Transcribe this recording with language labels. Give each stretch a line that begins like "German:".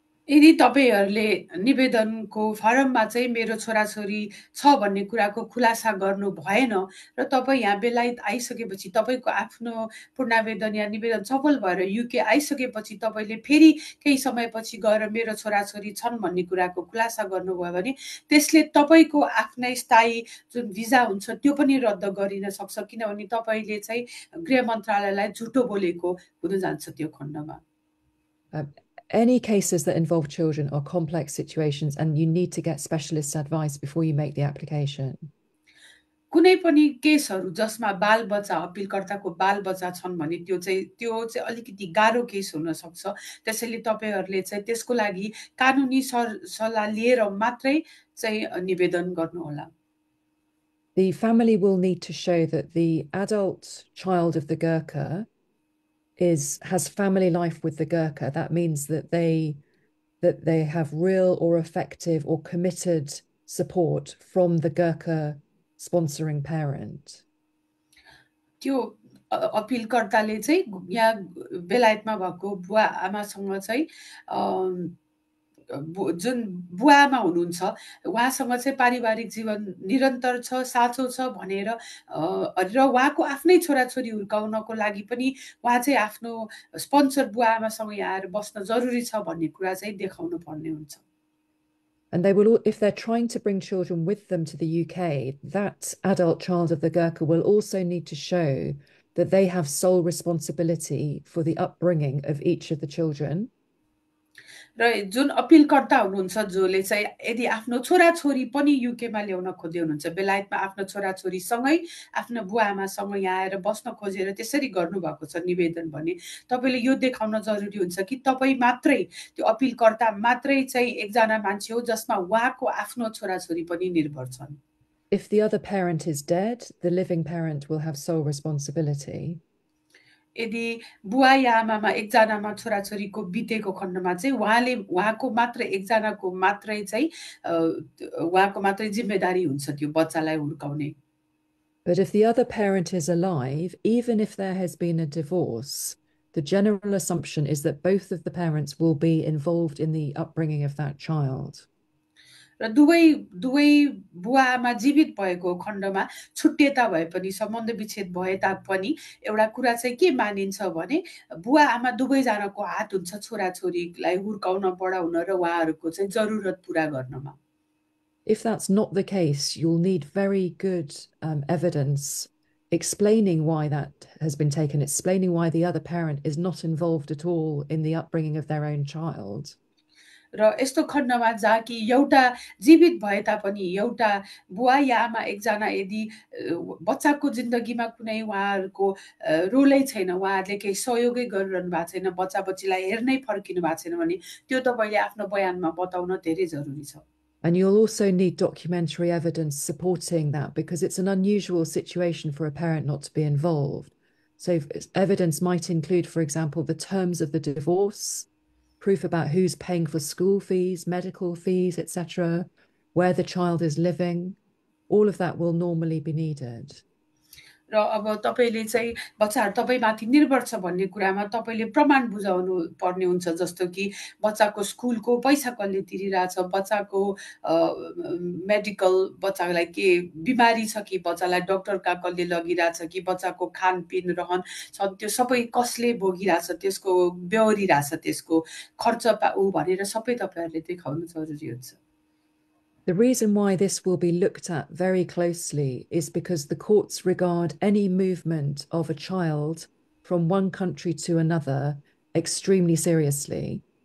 Nepali: यदि तपाईँहरूले निवेदनको फारममा चाहिँ मेरो छोराछोरी छ भन्ने कुराको खुलासा गर्नु भएन र तपाईँ यहाँ बेलायत आइसकेपछि तपाईँको आफ्नो पूर्णावेदन या निवेदन सफल भएर युके आइसकेपछि तपाईँले फेरि केही समयपछि गएर मेरो छोराछोरी छन् भन्ने कुराको खुलासा गर्नुभयो भने त्यसले तपाईँको आफ्नै स्थायी जुन भिजा हुन्छ त्यो पनि रद्द गरिन सक्छ, किनभने तपाईँले चाहिँ गृह मन्त्रालयलाई झुटो बोलेको हुन जान्छ त्यो खण्डमा।
English: Any cases that involve children are complex situations, and you need to get specialist advice before you make the application.
Nepali: कुनै पनि केसहरू जसमा बाल बच्चा अपिलकर्ताको बाल बच्चा छन् भने त्यो चाहिँ अलिकति गाह्रो केस हुन सक्छ, त्यसैले तपाईँहरूले चाहिँ त्यसको लागि कानुनी सल्लाह लिएर मात्रै चाहिँ निवेदन गर्नुहोला।
English: The family will need to show that the adult child of the Gurkha is has family life with the Gurkha. That means that they have real or effective or committed support from the Gurkha sponsoring parent.
Nepali: त्यो अपिलकर्ताले चाहिँ यहाँ बेलायतमा भएको बुवा आमासँग चाहिँ जुन बुवा आमा हुनुहुन्छ उहाँसँग चाहिँ पारिवारिक जीवन निरन्तर छ, साँचो छ भनेर, र उहाँको आफ्नै छोराछोरी हुर्काउनको लागि पनि उहाँ चाहिँ आफ्नो स्पोन्सर बुवा आमासँग यहाँ आएर बस्न जरुरी छ भन्ने कुरा चाहिँ देखाउनु पर्ने हुन्छ।
English: And they will all, if they're trying to bring children with them to the UK, that adult child of the Gurkha will also need to show that they have sole responsibility for the upbringing of each of the children.
Nepali: र जुन अपिलकर्ता हुनुहुन्छ जसले चाहिँ यदि आफ्नो छोराछोरी पनि युकेमा ल्याउन खोज्दै हुनुहुन्छ, बेलायतमा आफ्नो छोराछोरीसँगै आफ्नो बुवा आमासँग यहाँ आएर बस्न खोजेर त्यसरी गर्नुभएको छ निवेदन भने, तपाईँले यो देखाउन जरुरी हुन्छ कि तपाईँ मात्रै त्यो अपिलकर्ता मात्रै चाहिँ एकजना मान्छे हो जसमा उहाँको आफ्नो छोराछोरी पनि निर्भर छन्।
English: If the other parent is dead, the living parent will have sole responsibility.
Nepali: यदि बुवा या आमामा एकजनामा छोराछोरीको बितेको खण्डमा चाहिँ उहाँले उहाँको मात्र एकजनाको मात्रै चाहिँ उहाँको मात्रै जिम्मेदारी हुन्छ त्यो बच्चालाई हुर्काउने।
English: But if the other parent is alive, even if there has been a divorce, the general assumption is that both of the parents will be involved in the upbringing of that child.
Nepali: र दुवै दुवै बुवा आमा जीवित भएको खण्डमा छुट्टिएता भए पनि सम्बन्ध विच्छेद भए तापनि एउटा कुरा चाहिँ के मानिन्छ भने बुवा आमा दुवैजनाको हात हुन्छ छोराछोरीलाई हुर्काउन पढाउन र उहाँहरूको चाहिँ जरुरत पुरा गर्नमा।
English: If that's not the case, you'll need very good evidence explaining why that has been taken, explaining why the other parent is not involved at all in the upbringing of their own child.
Nepali: र यस्तो खण्डमा जहाँ कि एउटा जीवित भए तापनि एउटा बुवा या आमा एकजना यदि बच्चाको जिन्दगीमा कुनै उहाँहरूको रोलै छैन, उहाँहरूले केही सहयोगै गरिरहनु भएको छैन, बच्चा बच्चीलाई हेर्नै फर्किनु भएको छैन भने त्यो तपाईँले आफ्नो बयानमा बताउन धेरै जरुरी छ।
English: And you'll also need documentary evidence supporting that because it's an unusual situation for a parent not to be involved. So, evidence might include, for example, the terms of the divorce, proof about who's paying for school fees, medical fees, etc., where the child is living. All of that will normally be needed.
Nepali: र अब तपाईँले चाहिँ बच्चाहरू तपाईँमाथि निर्भर छ भन्ने कुरामा तपाईँले प्रमाण बुझाउनु पर्ने हुन्छ, जस्तो कि बच्चाको स्कुलको पैसा कसले तिरिरहेछ, बच्चाको मेडिकल बच्चालाई के बिमारी छ कि, बच्चालाई डक्टर कहाँ कसले लगिरहेछ कि, बच्चाको खानपिन रहन छन् त्यो सबै कसले भोगिरहेछ, त्यसको बेहोरिरहेछ, त्यसको खर्च पा ऊ भनेर सबै तपाईँहरूले देखाउनु जरुरी हुन्छ।
English: The reason why this will be looked at very closely is because the courts regard any movement of a child from one country to another extremely seriously.